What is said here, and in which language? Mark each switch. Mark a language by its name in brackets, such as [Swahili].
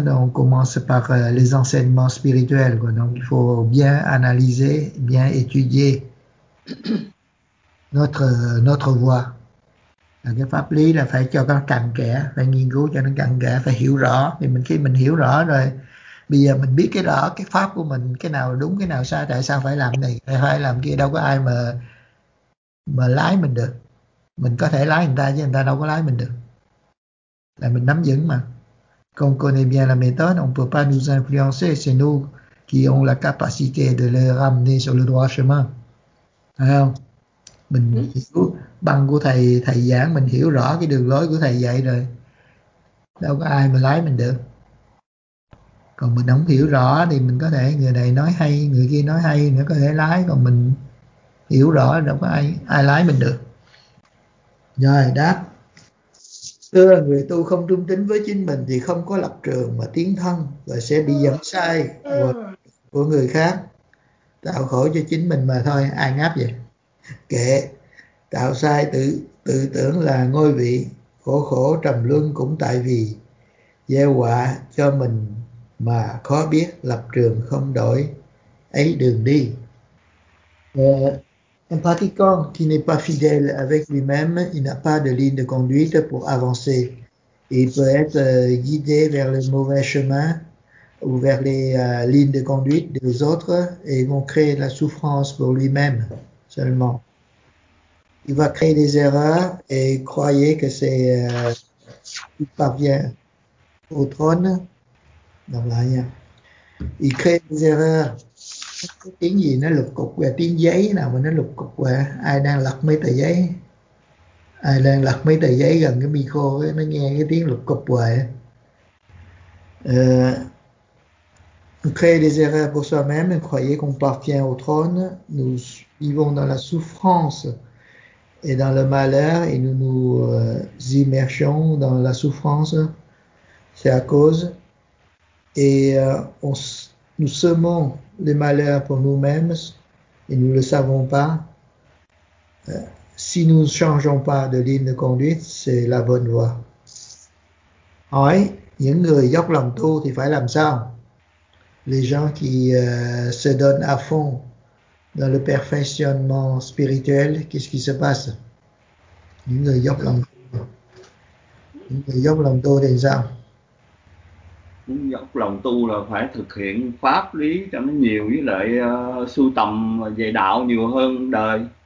[French] Donc on commence par les enseignements spirituels, quoi. Donc il faut bien analyser, bien étudier notre voie. [Vietnamese] Là cái pháp lý là phải cho nó cặn kẽ, phải nghiên cứu cho nó cặn kẽ, phải hiểu rõ. Thì mình khi mình hiểu rõ rồi, bây giờ mình biết cái rõ cái pháp của mình, cái nào đúng, cái nào sai, tại sao phải làm này, tại sao phải làm kia, đâu có ai mà lái mình được. Mình có thể lái người ta chứ người ta đâu có lái mình được. Là mình nắm vững mà. [French] Con connaît bien la méthode, on peut pas nous influencer, c'est nous qui ont la capacité de le ramener sur le droit chemin. [Vietnamese] Thấy không? Mình hiểu băng của thầy giảng, mình hiểu rõ cái đường lối của thầy dạy rồi, đâu có ai mà lái mình được. Còn mình không hiểu rõ thì mình có thể người này nói hay, người kia nói hay, nữa có thể lái. Còn mình hiểu rõ đâu có ai lái mình được. Rồi đáp. Thưa, người tu không trung tín với chính mình thì không có lập trường mà tiến thân và sẽ bị dẫn sai của người khác, tạo khổ cho chính mình mà thôi. Ai ngáp vậy? Kệ, tạo sai tự tưởng là ngôi vị, khổ trầm luân cũng tại vì gieo quả cho mình mà khó biết lập trường không đổi ấy đường đi. [French] Un pratiquant qui n'est pas fidèle avec lui-même, il n'a pas de ligne de conduite pour avancer. Il peut être guidé vers le mauvais chemin ou vers les lignes de conduite des autres et vont créer de la souffrance pour lui-même seulement. Il va créer des erreurs et croyez que c'est il parvient au trône. Non, là, rien. Il crée des erreurs. [Vietnamese] Cái tiếng gì nó lục cục quà, tiếng giấy nào mà nó lục cục quà. Ai đang lật mấy tờ giấy? Ai đang lật mấy tờ giấy gần cái micro ấy, nó nghe cái tiếng lục cục quà. [French] Créer des erreurs pour soi-même, croyez qu'on parvient au trône. Nous vivons dans la souffrance et dans le malheur et nous nous immergeons dans la souffrance. C'est à cause. Nous semons les malheurs pour nous-mêmes et nous ne le savons pas. Si nous ne changeons pas de ligne de conduite, c'est la bonne voie. [Vietnamese] Hỏi, những người dốc lòng tu thì phải làm sao? [French] Les gens qui se donnent à fond dans le perfectionnement spirituel, qu'est-ce qui se passe? [Vietnamese] Những người dốc lòng tu. Những người dốc lòng tu thì sao? Muốn dốc lòng tu là phải thực hiện pháp lý cho nó nhiều, với lại sưu tầm về đạo nhiều hơn đời.